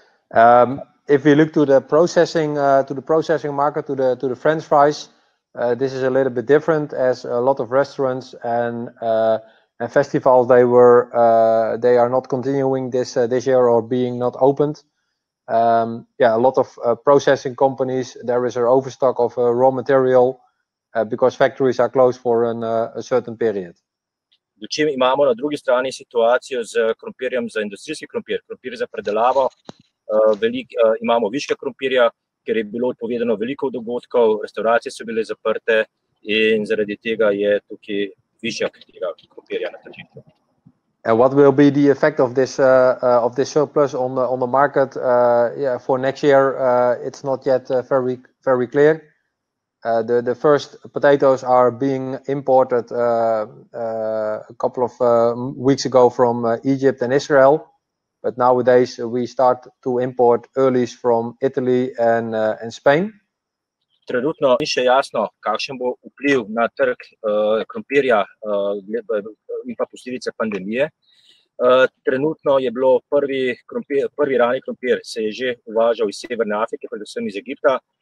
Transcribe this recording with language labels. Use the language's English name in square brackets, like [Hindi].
[English] If we look to the processing market, to the French fries, this is a little bit different, as a lot of restaurants and festivals they are not continuing this year or being not opened. A lot of processing companies, there is an overstock of raw material because factories are closed for a certain period. [Slovenian] Do čim imamo na drugi strani situacijo z krompirjem za industrijski krompir za predelavo, imamo viške krompirja, ker je bilo odpovedano veliko dogodkov, restauracije so bile zaprte in zaradi tega je tukaj višak tega krompirja na tržišču. [English] And what will be the effect of this surplus on the market for next year? It's not yet very clear. The first potatoes are being imported a couple of weeks ago from Egypt and Israel. But nowadays we start to import earlies from Italy and Spain. [Slovenian] Trenutno ni še jasno, kakšen bo vpliv na trg krompirja in pa posledice pandemije. Trenutno je bilo prvi rani krompir se je že uvažal iz Severne Afrike, predvsem iz Egipta.